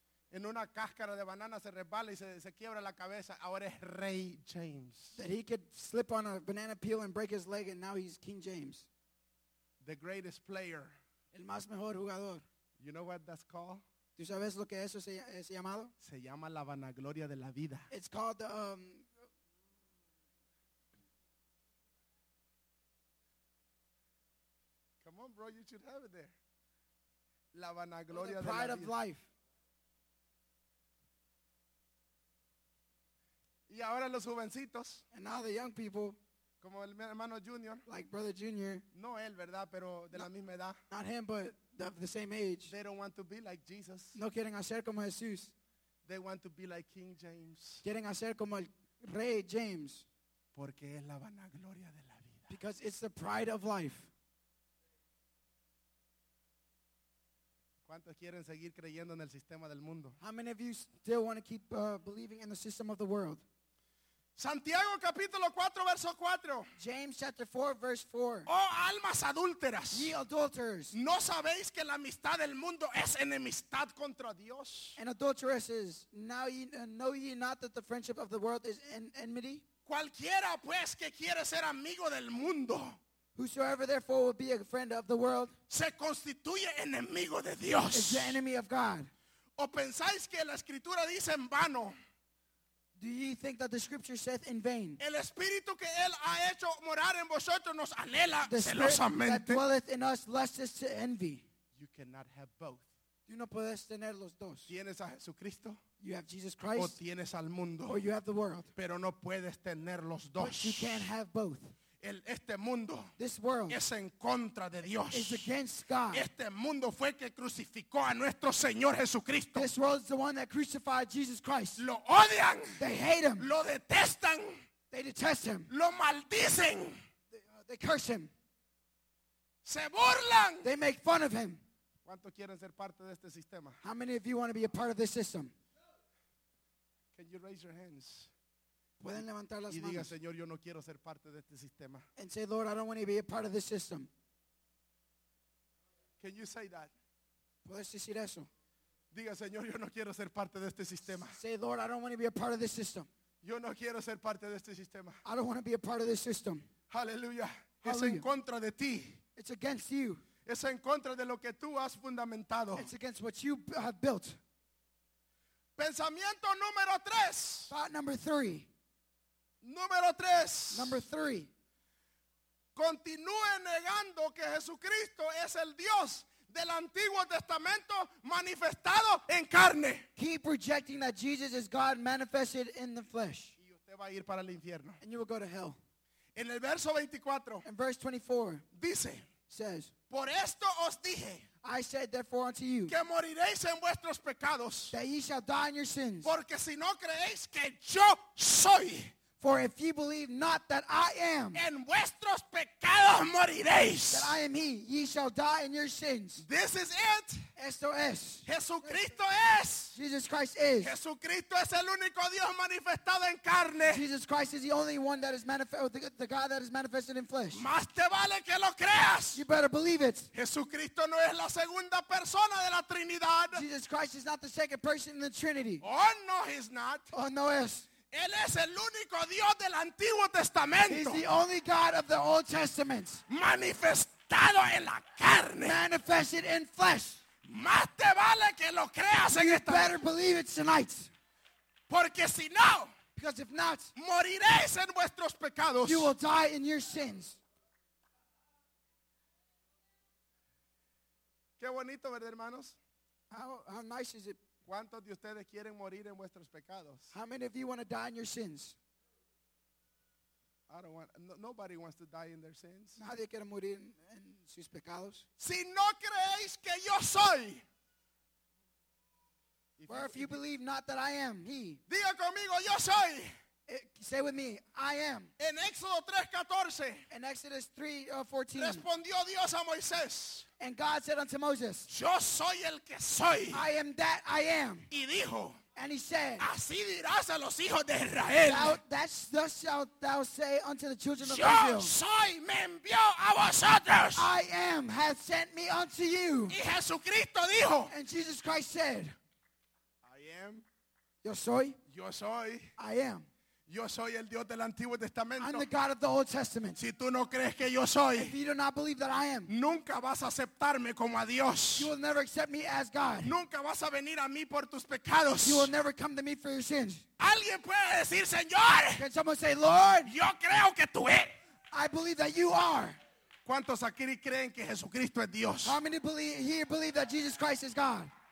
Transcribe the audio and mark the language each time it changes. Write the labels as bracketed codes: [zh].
[es] En una cáscara de banana se resbala y se quiebra la cabeza. Ahora es Rey James. [en] That he could slip on a banana peel and break his leg, and now he's King James. The greatest player. [es] El más mejor jugador. [en] You know what that's called? [es] ¿Tú sabes lo que eso es llamado? Se llama la vanagloria de la vida. [en] It's called the Come on, bro, you should have it there. [es] La vanagloria de la vida. [en] The pride of life. [es] Y ahora los jovencitos. [en] And now the young people. [es] Como el hermano Junior. [en] Like brother Junior. [es] No él, ¿verdad? Pero de la misma edad. [en] Not him, but the same age. They don't want to be like Jesus. [es] No quieren hacer como Jesús. [en] They want to be like King James. [es] Quieren hacer como el Rey James. Porque es la vanagloria de la vida. [en] Because it's the pride of life. [es] ¿Cuántos quieren seguir creyendo en el sistema del mundo? [en] How many of you still want to keep believing in the system of the world? [es] Santiago capítulo 4 verso 4. [en] James chapter 4 verse 4. [es] Oh almas adúlteras. [en] Ye adulterers. [es] ¿No sabéis que la amistad del mundo es enemistad contra Dios? [en] And adulteresses, now ye know ye not that the friendship of the world is enmity? [es] Cualquiera pues que quiere ser amigo del mundo. [en] Whosoever therefore will be a friend of the world. [es] Se constituye enemigo de Dios. [en] Is the enemy of God. [es] ¿O pensáis que la escritura dice en vano? [en] Do you think that the scripture saith in vain? [es] El espíritu que él ha hecho morar en vosotros nos anhela celosamente. [en] That dwelleth in us lusteth to envy. You cannot have both. [es] Tú no puedes tener los dos. ¿Tienes a Jesucristo? [en] You have Jesus Christ. [es] ¿O tienes al mundo? [en] Or you have the world. [es] Pero no puedes tener los dos. [en] But you can't have both. [es] Este mundo, [en] this world, [es] es en contra de Dios. [en] Is against God. [es] Este mundo fue que crucificó a nuestro Señor Jesucristo. [en] This world is the one that crucified Jesus Christ. [es] Lo odian. [en] They hate him. [es] Lo detestan. [en] They detest him. [es] Lo maldicen. [en] They curse him. [es] Se burlan. [en] They make fun of him. [es] ¿Cuántos quieren ser parte de este sistema? [en] How many of you want to be a part of this system? Can you raise your hands? [es] Pueden levantar las manos. Y diga, Señor, yo no quiero ser parte de este sistema. [en] And say, Lord, I don't want to be a part of this system. Can you say that? [es] ¿Puedes decir eso? Diga, Señor, yo no quiero ser parte de este sistema. [en] Say, Lord, I don't want to be a part of this system. [es] Yo no quiero ser parte de este sistema. [en] I don't want to be a part of this system. [es] Hallelujah. Es en contra de ti. [en] It's against you. [es] Es en contra de lo que tú has fundamentado. [en] It's against what you have built. [es] Pensamiento número tres. [en] Thought number three. [es] Número tres. [en] Number three. [es] Continúe negando que Jesucristo es el Dios del Antiguo Testamento manifestado en carne. [en] Keep rejecting that Jesus is God manifested in the flesh. [es] Y usted va a ir para el infierno. [en] And you will go to hell. [es] En el verso 24. [en] In verse 24. [es] Dice. [en] Says. [es] Por esto os dije. [en] I said therefore unto you. [es] Que moriréis en vuestros pecados. [en] That ye shall die in your sins. [es] Porque si no creéis que yo soy. [en] For if ye believe not that I am, [es] en vuestros pecados moriréis. [en] That I am he, ye shall die in your sins. This is it. [es] Esto es. Jesucristo es. [en] Jesus Christ is. [es] Jesucristo es el único Dios manifestado en carne. [en] Jesus Christ is the only one that is the God that is manifested in flesh. [es] Más te vale que lo creas. [en] You better believe it. [es] Jesucristo no es la segunda persona de la Trinidad. [en] Jesus Christ is not the second person in the Trinity. Oh no, he's not. [es] Oh no, es. Él es el único Dios del Antiguo Testamento. [en] He's the only God of the Old Testament. [es] Manifestado en la carne. [en] Manifested in flesh. [es] Más te vale que lo creas en esta. [en] You better believe it tonight. [es] Porque si no. [en] Because if not. [es] Moriréis en vuestros pecados. [en] You will die in your sins. [es] Qué bonito, ¿verdad, hermanos? [en] How nice is it? [es] ¿Cuántos de ustedes quieren morir en vuestros pecados? [en] How many of you want to die in your sins? Nobody wants to die in their sins. [es] Nadie quiere morir en sus pecados. Si no creéis que yo soy. [en] If you believe not that I am he. [es] Diga conmigo, yo soy. [en] Say with me, I am. [es] En Éxodo 3:14. [en] In Exodus 3:14. [es] Respondió Dios a Moisés. [en] And God said unto Moses, [es] yo soy el que soy. [en] I am that I am. [es] Y dijo, [en] and he said, [es] así dirás a los hijos de Israel. [en] Thus shalt thou say unto the children of [es] yo [en] Israel. [es] Yo soy me envió a vosotros. [en] I am hath sent me unto you. [es] Y Jesucristo dijo, [en] and Jesus Christ said, I am. [es] Yo soy. Yo soy. [en] I am. [es] Yo soy el Dios del Antiguo Testamento. [en] I'm the God of the Old Testament. [es] Si tú no crees que yo soy, [en] if you do not believe that I am, [es] nunca vas a aceptarme como a Dios. [en] You will never accept me as God. [es] Nunca vas a venir a mí por tus pecados. [en] You will never come to me for your sins. [es] ¿Alguien puede decir, Señor? [en] Can someone say, Lord? [es] Yo creo que tú eres. [en] I believe that you are. [es] ¿Cuántos aquí creen que Jesucristo es Dios? [en] How many believe, here believe that Jesus Christ is God?